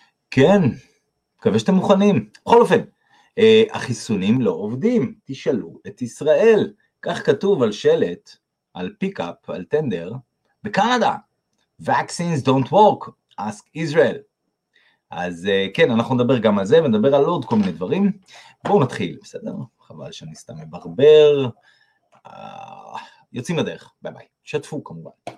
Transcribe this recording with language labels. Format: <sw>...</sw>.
<he>כן, מקווה שאתם מוכנים. בכל אופן, החיסונים לא עובדים, תשאלו את ישראל. כך כתוב על שלט, על פיקאפ, על טנדר, בקנדה.</he> <en>Vaccines don't work, ask Israel.</en> <he>אז כן, אנחנו נדבר גם על זה, ונדבר על עוד כל מיני דברים. בואו נתחיל, בסדר? חבל שאני סתם מברבר. יוצאים לדרך, ביי ביי. שתפו כמובן.</he>